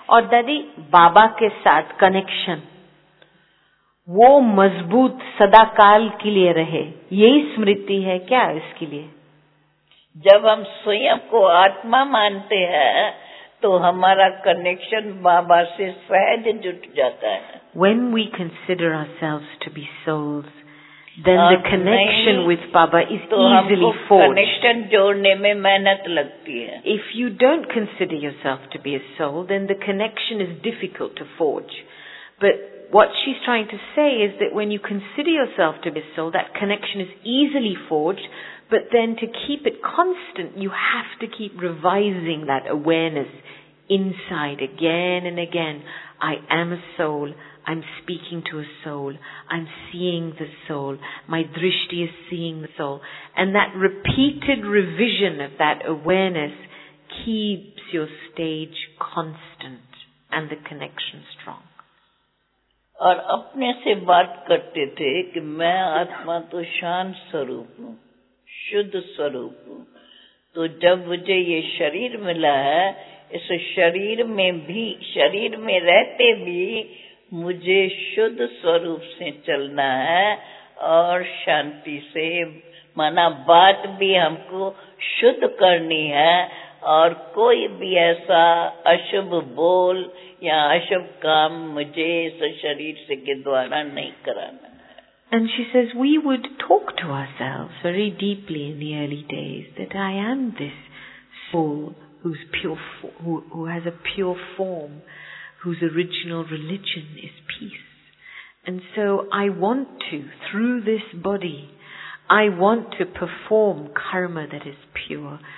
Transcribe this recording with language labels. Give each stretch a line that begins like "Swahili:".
Hindi: और दादी, बाबा के साथ कनेक्शन वो मजबूत सदाकाल के लिए रहे, यही स्मृति है क्या इसके लिए? जब हम स्वयं को आत्मा मानते हैं तो हमारा कनेक्शन बाबा से सहज जुट जाता है।
English: When we consider ourselves to be souls, then the connection with Baba is easily forged.
Hindi: Connection जोड़ने में मेहनत लगती है।
English: If you don't consider yourself to be a soul, then the connection is difficult to forge. But what she's trying to say is that when you consider yourself to be a soul, that connection is easily forged, but then to keep it constant, you have to keep revising that awareness inside again and again. I am a soul, I'm speaking to a soul, I'm seeing the soul, my drishti is seeing the soul. And that repeated revision of that awareness keeps your stage constant and the connection strong.
Hindi: और अपने से बात करते थे कि मैं आत्मा तो शांत स्वरूप हूँ, शुद्ध स्वरूप हूँ। तो जब मुझे ये शरीर मिला है, इस शरीर में भी, शरीर में रहते भी मुझे शुद्ध स्वरूप से चलना है और शांति से, माना बात भी हमको शुद्ध करनी है, और कोई भी ऐसा अशुभ बोल या अशुभ काम मुझे इस शरीर से के द्वारा नहीं कराना है।
English: And she says, we would talk to ourselves very deeply in the early days that I am this soul who's pure, who has a pure form, whose original religion is peace. And so I want to, through this body, I want to perform karma that is pure.